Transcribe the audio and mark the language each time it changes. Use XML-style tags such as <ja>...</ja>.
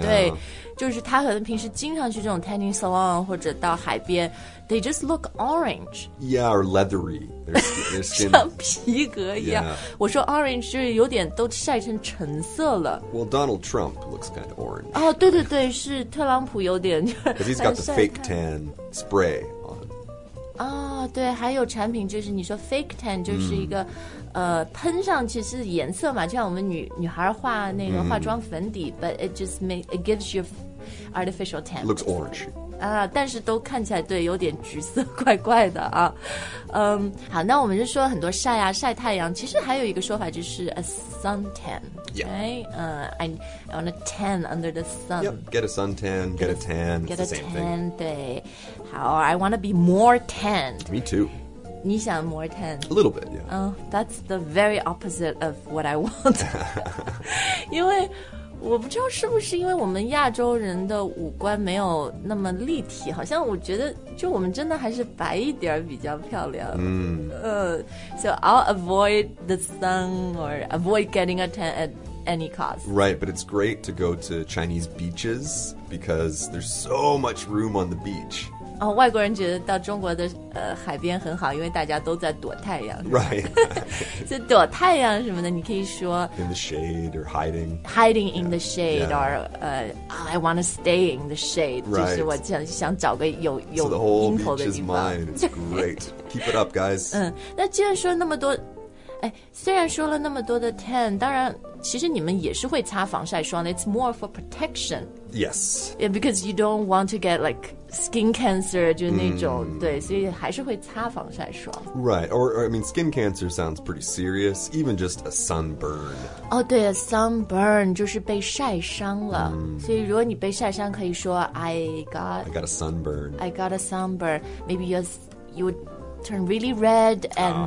<zh>对。就是他可能平时经常去这种 tanning salon 或者到海边</zh> <en>they just look orange. Yeah, or leathery. Their skin.</en> <zh>像皮革一样、</zh> <en>yeah.</en> <zh>我说 orange 就是有点都晒成橙色了。</zh> <en>Well, Donald Trump looks kind of orange.</en> <zh>哦、oh, 对对对是特朗普有点。</zh> <en>Because he's got the fake tan spray on.</en> <zh>哦、oh, 对还有产品就是你说 fake tan 就是一个、喷上去是颜色嘛，就像我们女孩画那个化妆粉底、</zh> <en>but it gives you artificial tan. Looks orange.</en> <zh>啊，但是都看起来对有点橘色怪怪的啊。好，那我们就说很多晒啊，晒太阳，其实还有一个说法就是 a suntan、</zh> <en>yeah. right? I want a tan under the sun. Yep, get a suntan, get a tan, get a tan, same thing.</en> <zh>对，好，</zh> <en>I want to be more tanned. Me too.</en> <zh>你想</zh> <en>more tan? A little bit, yeah. That's the very opposite of what I want.</en> <zh>因为我不知道是不是因为我们亚洲人的五官没有那么立体，好像我觉得就我们真的还是白一点比较漂亮。 Mm.</zh> <en>So I'll avoid the sun or avoid getting a tan at any cost. Right, but it's great to go to Chinese beaches because there's so much room on the beach.</en> <zh>哦，外国人觉得到中国的海边很好，因为大家都在躲太阳。</zh> <en>Right.</en> <zh>就躲太阳什么的，你可以说</zh> <en>in the shade or hiding. Hiding in the shade or I want to stay in the shade. Right.</en> <zh>就是我想找个有阴头的地方。</zh> <en>So the whole beach is mine. It's great. Keep it up, guys.</en> <zh>嗯，那既然说那么多，哎，虽然说了那么多的 tan， 当然其实你们也是会擦防晒霜的。</zh> <en>It's more for protection. Yes. Yeah, because you don't want to get like.</en> <zh>Skin cancer, 就是那种、mm. 对，所以还是会擦防晒霜。</zh> <en>Right, or I mean, skin cancer sounds pretty serious, even just a sunburn.</en> <zh>哦、oh, ，对 ，a sunburn 就是被晒伤了。Mm. 所以如果你被晒伤，可以说</zh> <en>I got a sunburn. I got a sunburn. Maybe you turn really red and、</en>